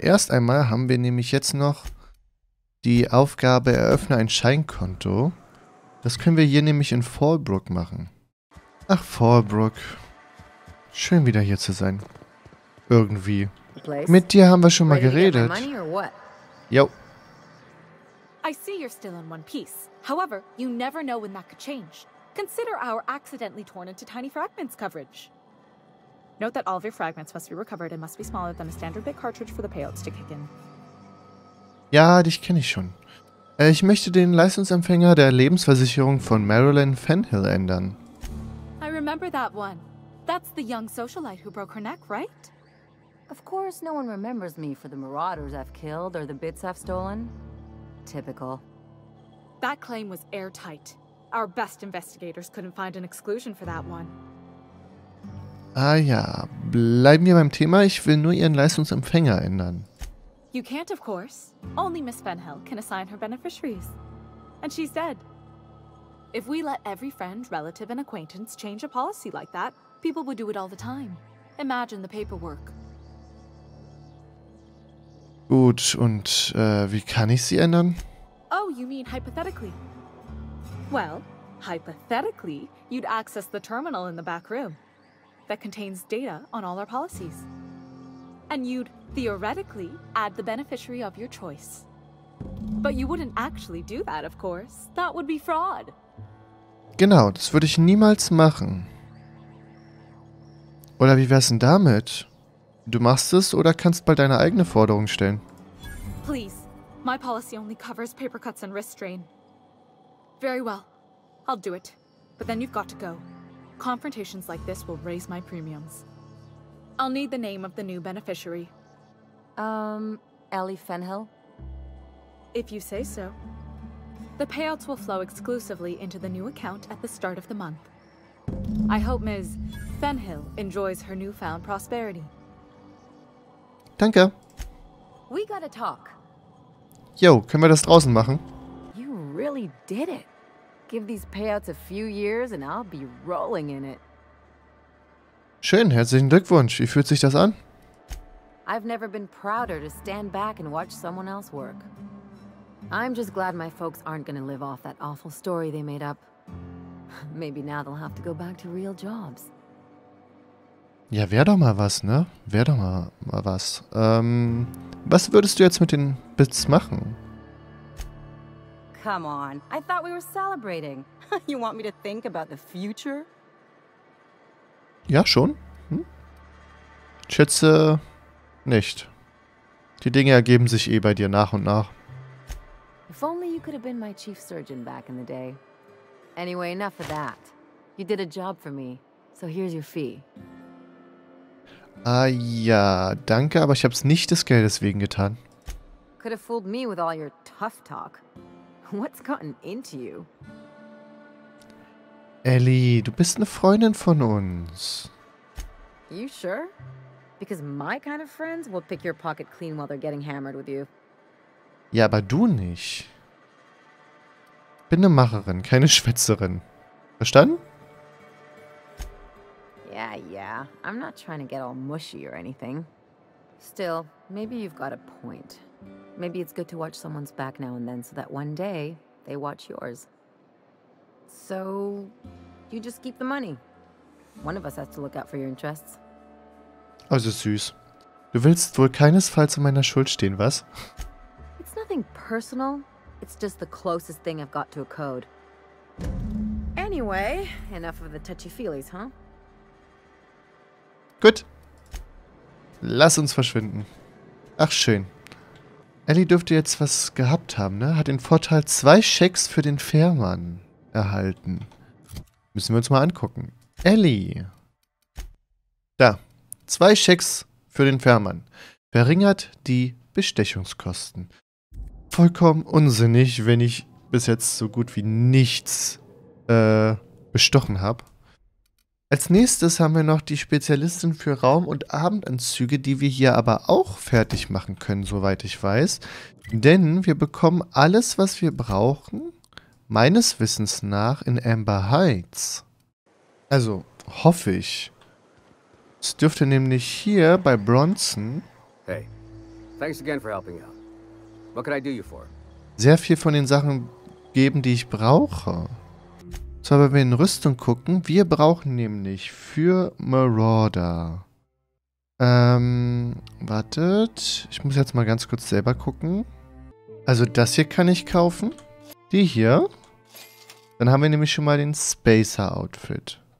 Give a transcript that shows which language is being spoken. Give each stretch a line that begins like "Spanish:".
German: Erst einmal haben wir nämlich jetzt noch die Aufgabe, eröffne ein Scheinkonto. Das können wir hier nämlich in Fallbrook machen. Ach, Fallbrook. Schön wieder hier zu sein. Irgendwie. Mit dir haben wir schon mal geredet. Jo.
English: I see you're still in one piece. However, you never know when that could change. Consider our accidentally torn into tiny fragments coverage. Note that all of your fragments must be recovered and must be smaller than a standard bit cartridge for the payouts to kick in.
German: Ja, dich kenne ich schon. Ich möchte den Leistungsempfänger der Lebensversicherung von Marilyn Fenhill ändern.
English: I remember that one. That's the young socialite who broke her neck, right? Of course, no one remembers me for the marauders I've killed or the bits I've stolen. Typical. That claim was airtight. Our best investigators couldn't find an exclusion for that one.
German: Ah ja, bleiben wir beim Thema. Ich will nur ihren Leistungsempfänger ändern.
English: You can't, of course. Only Miss Fenhill can assign her beneficiaries. And she's dead. If we let every friend, relative, and acquaintance change a policy like that, people would do it all the time. Imagine the paperwork.
German: Gut, und wie kann ich sie ändern?
English: Oh, you mean hypothetically. Well, hypothetically, you'd access the terminal in the back room that contains data on all our policies. And you'd theoretically add the beneficiary of your choice. But you wouldn't actually do that, of course. That would be fraud.
German: Genau, das würde ich niemals machen. Oder wie wär's denn damit? Du machst es oder kannst bald deine eigene Forderung stellen?
English: Please, my policy only covers paper cuts and wrist strain. Very well, I'll do it. But then you've got to go. Confrontations like this will raise my premiums. I'll need the name of the new beneficiary. Ellie Fenhill? If you say so. The payouts will flow exclusively into the new account at the start of the month. I hope Ms. Fenhill enjoys her newfound prosperity.
German: Danke.
English: We gotta talk.
German: Yo, können wir das draußen machen?
English: You really did it. Give these payouts a few years and I'll be rolling in it.
German: Schön, herzlichen Glückwunsch. Wie fühlt sich das an?
English: I've never been prouder to stand back and watch someone else work. I'm just glad my folks aren't gonna live off that awful story they made up. Maybe now they'll have to go back to real jobs.
German: Ja, wär doch mal was, ne? Wär doch mal was. Was würdest du jetzt mit den Bits machen?
English: Come on, I thought we were celebrating. You want me to think about the future?
German: Ja, schon. Schätze nicht. Die Dinge ergeben sich eh bei dir nach und nach.
English: If only you could have been my chief surgeon back in the day. Anyway, enough of that. You did a job for me, so here's your fee.
German: Ah ja, danke, aber ich hab's nicht des Geldes wegen getan.
English: Could have fooled me with all your tough talk. What's gotten into you?
German: Ellie, du bist eine Freundin von uns.
English: You sure? Because my kind of friends will pick your pocket clean while they're getting hammered with you.
German: Ja, aber du nicht. Bin eine Macherin, keine Schwätzerin. Verstanden?
English: Yeah, yeah. I'm not trying to get all mushy or anything. Still, maybe you've got a point. Maybe it's good to watch someone's back now and then so that one day they watch yours. So, you just keep the money. One of us has to look out for your interests.
German: Also süß. Du willst wohl keinesfalls in meiner Schuld stehen, was?
English: It's nothing personal. It's just the closest thing I've got to a code. Anyway. Anyway, enough of the touchy-feelies, huh?
German: Gut. Lass uns verschwinden. Ach, schön. Ellie dürfte jetzt was gehabt haben, ne? Hat den Vorteil 2 Schecks für den Fährmann erhalten. Müssen wir uns mal angucken. Ellie. Da. 2 Schecks für den Fährmann. Verringert die Bestechungskosten. Vollkommen unsinnig, wenn ich bis jetzt so gut wie nichts bestochen habe. Als nächstes haben wir noch die Spezialistin für Raum- und Abendanzüge, die wir hier aber auch fertig machen können, soweit ich weiß. Denn wir bekommen alles, was wir brauchen, meines Wissens nach, in Amber Heights. Also, hoffe ich. Es dürfte nämlich hier bei Bronson...
English: Hey, thanks again for helping out. What can I do you for?
German: ...sehr viel von den Sachen geben, die ich brauche. So, aber wenn wir in Rüstung gucken, wir brauchen nämlich für Marauder. Wartet. Ich muss jetzt mal ganz kurz selber gucken. Also das hier kann ich kaufen. Die hier. Dann haben wir nämlich schon mal den Spacer Outfit.